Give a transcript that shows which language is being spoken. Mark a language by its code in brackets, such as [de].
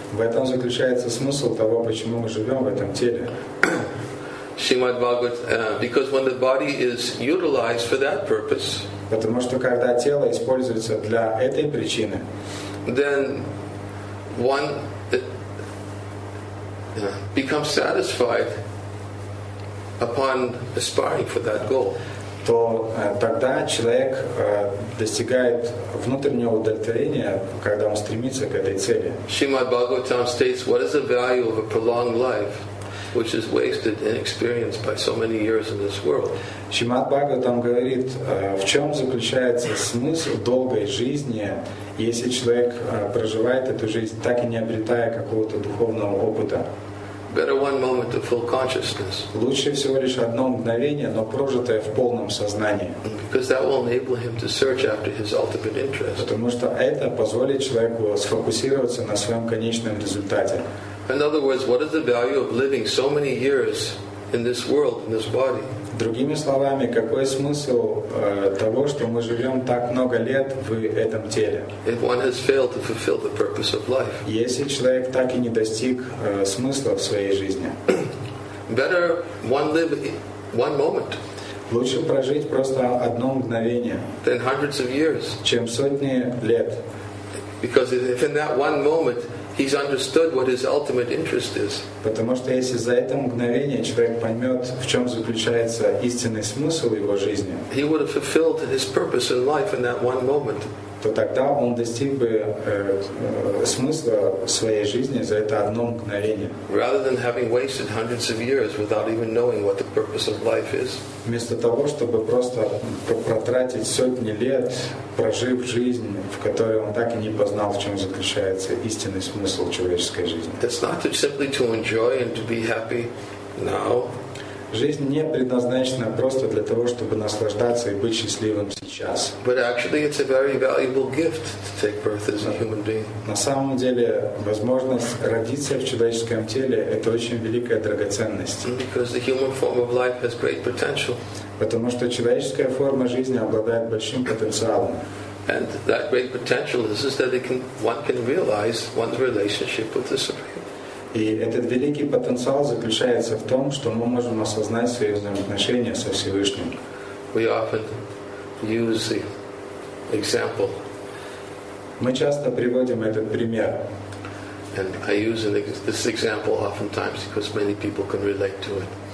[ru] В этом заключается смысл того, почему мы живем в этом теле. [en] Шримад Бхагаватам, because when the body is utilized for that purpose. [ru] Потому что когда тело используется для этой причины, [en] then one becomes satisfied upon aspiring for that goal. [ru] То тогда человек достигает внутреннего удовлетворения, когда он стремится к этой цели. [en] Shrimad Bhagavatam states, what is the value of a prolonged life, which is wasted and experienced by so many years in this world? [ru] Shrimad Bhagavatam говорит, в чем заключается смысл долгой жизни, если человек проживает эту жизнь, так и не обретая какого-то духовного опыта. [en] Better one moment of full consciousness. [ru] Лучше всего лишь одно мгновение, но прожитое в полном сознании. [en] Because that will enable him to search after his ultimate interest. [ru] Потому что это позволит человеку сфокусироваться на своем конечном результате. [en] In other words, what is the value of living so many years in this world, in this body? [ru] Другими словами, какой смысл того, что мы живем так много лет в этом теле? [en] If one has failed to fulfill the purpose of life. [ru] Если человек так и не достиг смысла в своей жизни. [en] Better one live one moment. [ru] Лучше прожить просто одно мгновение, [en] than hundreds of years. [ru] Чем сотни лет. [en] Because if in that one moment he's understood what his ultimate interest is. [ru] Потому что если за это мгновение человек поймет, в чем заключается истинный смысл его жизни, [en] he would have fulfilled his purpose in life in that one moment. [ru] То тогда он достиг бы смысла своей жизни за это одно мгновение. [en] Rather than having wasted hundreds of years without even knowing what the purpose of life is. [ru] Вместо того, чтобы просто протратить сотни лет, прожив жизнь, в которой он так и не познал, в чем заключается истинный смысл человеческой жизни. [en] It's not simply to enjoy and to be happy now. [ru] Жизнь не предназначена просто для того, чтобы наслаждаться и быть счастливым сейчас. [en] But actually, it's a very valuable gift to take birth as a human being. [ru] На самом деле, возможность родиться в человеческом теле — это очень великая драгоценность. [en] Because the human form of life has great potential. [ru] Потому что человеческая форма жизни обладает большим потенциалом. [en] And that great potential is that one can realize one's relationship with the Supreme. [ru] И этот великий потенциал заключается в том, что мы можем осознать свои взаимоотношения со Всевышним. [en] We often use the example. [ru] Мы часто приводим этот пример. [en] And I use this example oftentimes because many people can relate to it.